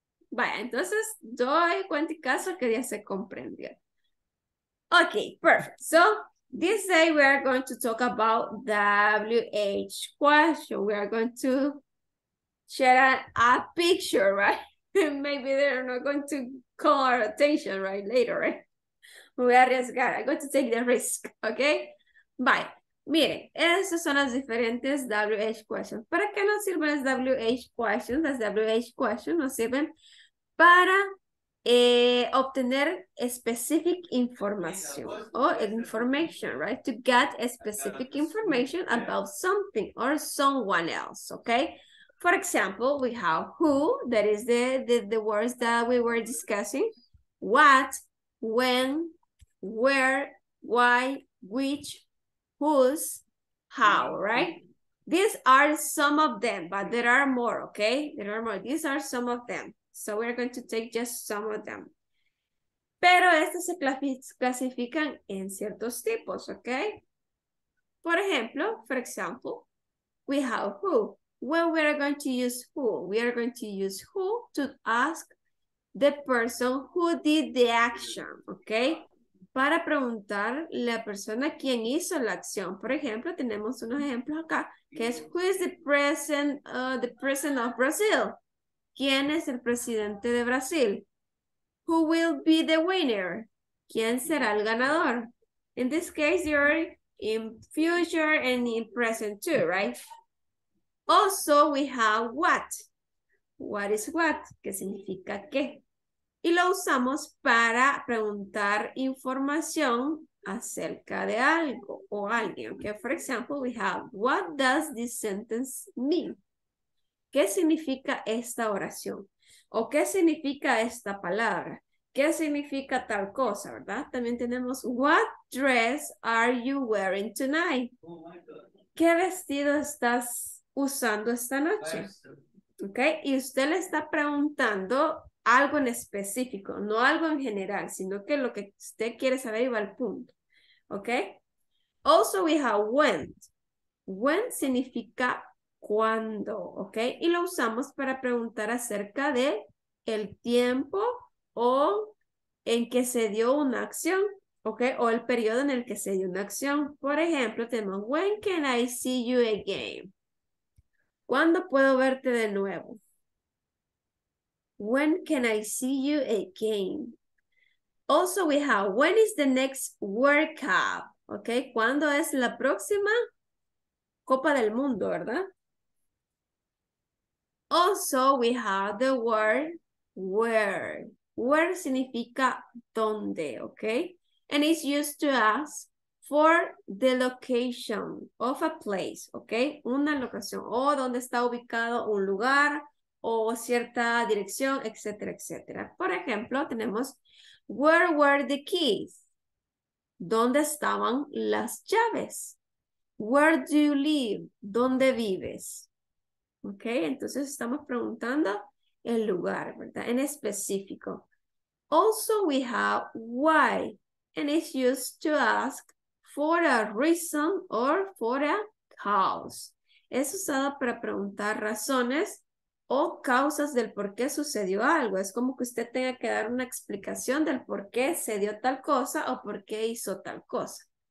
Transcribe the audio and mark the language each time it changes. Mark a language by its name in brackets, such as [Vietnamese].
[Spanish] Vaya, entonces doy cuenta y caso que ya se comprendió. [English] Okay, perfect. So, this day we are going to talk about WH question. We are going to share a picture, right? Maybe they're not going to call our attention right later, right? [Spanish] Me voy a arriesgar. [English] I'm going to take the risk, okay? Bye. [Spanish] Miren, esas son las diferentes WH questions. ¿Para qué nos sirven las WH questions? Las WH questions nos sirven para obtener [English] specific information or information, right? To get a specific information about something or someone else, okay? For example, we have who, that is the words that we were discussing. What, when, where, why, which, whose, how, right? These are some of them, but there are more, okay? There are more. These are some of them. So we're going to take just some of them. [Spanish] Pero estos se clasifican en ciertos tipos, okay? [English] For example, we have who. When we are going to use who, we are going to use who to ask the person who did the action, okay? [Spanish] Para preguntar la persona quién hizo la acción. Por ejemplo, tenemos unos ejemplos acá, que es [English] who is the president of Brazil? [Spanish] ¿Quién es el presidente de Brasil? [English] Who will be the winner? [Spanish] ¿Quién será el ganador? [English] In this case, you're in future and in present too, right? Also, we have what. What is what? [Spanish] ¿Qué significa qué? Y lo usamos para preguntar información acerca de algo o alguien. [English] Okay? For example, we have what does this sentence mean? [Spanish] ¿Qué significa esta oración? ¿O qué significa esta palabra? ¿Qué significa tal cosa, verdad? También tenemos [English] what dress are you wearing tonight? [Spanish] ¿Qué vestido estás usando esta noche? Ok, y usted le está preguntando algo en específico, no algo en general, sino que lo que usted quiere saber iba al punto. Ok, [English] Also we have went. When [Spanish] significa cuando, [English] ¿ok? [Spanish] Y lo usamos para preguntar acerca de el tiempo o en que se dio una acción, ¿ok? O el periodo en el que se dio una acción. Por ejemplo, tenemos, [English] when can I see you again? [Spanish] ¿Cuándo puedo verte de nuevo? [English] When can I see you again? Also we have, when is the next World Cup? ¿Ok? [Spanish] ¿Cuándo es la próxima Copa del Mundo, verdad? [English] Also, we have the word where. Where [Spanish] significa donde, [English] okay? And it's used to ask for the location of a place, okay? [Spanish] Una locación, o donde está ubicado un lugar, o cierta dirección, etc., etc. Por ejemplo, tenemos, [English] where were the keys? [Spanish] ¿Dónde estaban las llaves? [English] Where do you live? [Spanish] ¿Dónde vives? Ok, entonces estamos preguntando el lugar, ¿verdad? En específico. [English] Also we have why, and it's used to ask for a reason or for a cause. [Spanish] Es usado para preguntar razones o causas del por qué sucedió algo. Es como que usted tenga que dar una explicación del por qué se dio tal cosa o por qué hizo tal cosa.